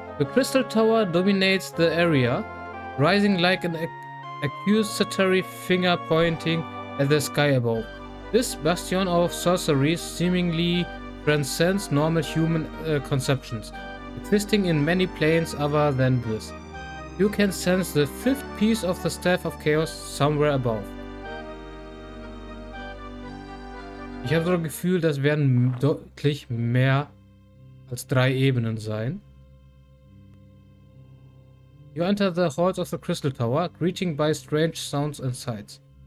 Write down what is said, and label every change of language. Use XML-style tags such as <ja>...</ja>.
<en>The Crystal Tower dominates the area, rising like an accusatory finger pointing at the sky above. This bastion of sorcery seemingly transcends normal human conceptions, existing in many planes other than this. You can sense the 5th piece of the Staff of Chaos somewhere above.</en> <de>Ich habe so ein Gefühl, das werden deutlich mehr als 3 Ebenen sein.</de> <en>You enter the halls of the Crystal Tower, greeting by strange sounds and sights.</en>